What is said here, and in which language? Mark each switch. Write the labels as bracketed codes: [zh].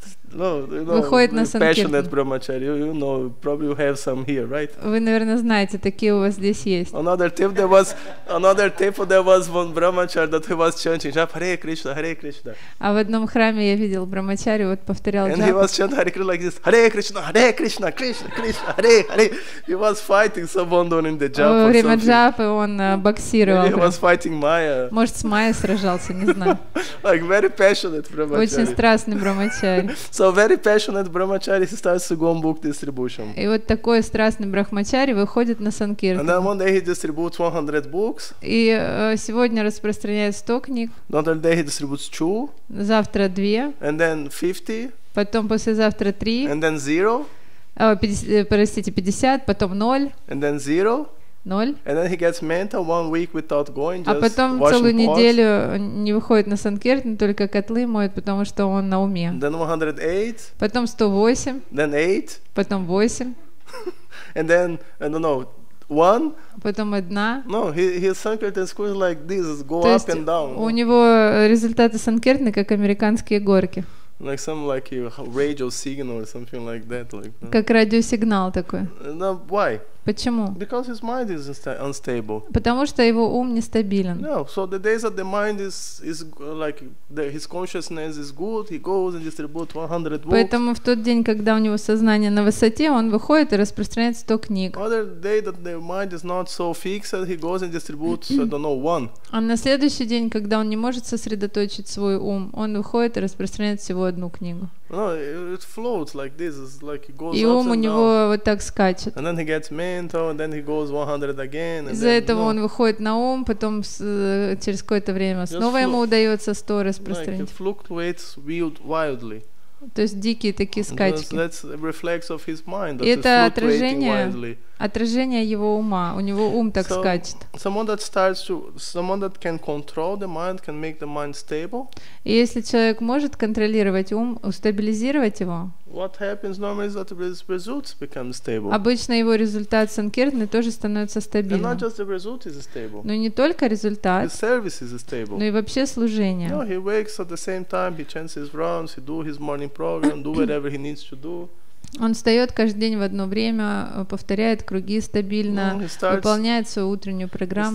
[en] No, you know, [ru] выходит на санкиртан. [en] Passionate brahmachari, you know, probably you have some here, right? [ru] Вы, наверное, знаете, такие у вас здесь есть. [en] Another temple there was one brahmachari that he was chanting Jap Hare Krishna, Hare Krishna. [ru] А в одном храме я видел брамачари, вот повторял. [en] And Jap. He was chanting Hare Krishna like this, Hare Krishna, Hare Krishna, Krishna, Krishna, Hare, Hare. He was fighting someone during the Jap. [ru] Во время Джапы он боксировал. [en] He was fighting Maya. [ru] Может, с Майей сражался, не знаю. [en] Like very passionate brahmachari. [ru] Очень страстный брамачари. [en] So very passionate brahmachari starts to go on book distribution. [ru] И вот такой страстный брахмачари выходит на санкиртан. [en] And then one day he distributes 100 books. [ru] И сегодня распространяет 100 книг. [en] Another day he distributes 2. [ru] Завтра 2. [en] And then 50. [ru] Потом послезавтра 3. [en] And then 0. [ru] 50, потом 0. [en] And then 0. [ru] 0. [en] And then he gets mental 1 week without going, just [ru] а потом целую неделю не выходит на санкиртан, только котлы моет, потому что он на уме. [en] Then 108. [ru] Потом 108. [en] Then 8. [ru] Потом 8. [en] And then, I don't know, 1. [ru] Потом 1. [en] No, his sankirtan score is like this, go up and down. [ru] У него результаты санкиртаны как американские горки. [en] Like some like a radio signal or something like that, like. [ru] Как радиосигнал такой. [en] No, why? [ru] Почему? [en] Because his mind is unstable. [ru] Потому что его ум нестабилен. [en] No, so the days that the mind is like his consciousness is good, he goes and distributes 100 books. [ru] Поэтому в тот день, когда у него сознание на высоте, он выходит и распространяет 100 книг. [en] Other day that the mind is not so fixed, he goes and distributes I don't know one. [ru] А на следующий день, когда он не может сосредоточить свой ум, он выходит и распространяет всего одну книгу. [en] No, it floats like this, it's like it goes. [ru] И ум у него вот так скачет. [en] And then he gets mental, and then he goes 100 again. [ru] Из-за этого он выходит на ум, потом через какое-то время снова ему удается 100 распространить. [en] Like it fluctuates wildly. [ru] То есть дикие такие скачки. [en] That's a reflex of his mind. [ru] И это отражение его ума. У него ум так скачет. [en] Someone that can control the mind can make the mind stable. [ru] И если человек может контролировать ум, устабилизировать его. [en] What happens normally is that his results become stable. [ru] Обычно его результат санкиртны тоже становится стабильным. [en] And not just the result is stable. [ru] Но не только результат. [en] His service is stable. [ru] Но и вообще служение. [en] No, he wakes at the same time, he chants his rounds, he do his morning program, do whatever he needs to do. [ru] Он встает каждый день в одно время, повторяет круги стабильно, выполняет свою утреннюю программу.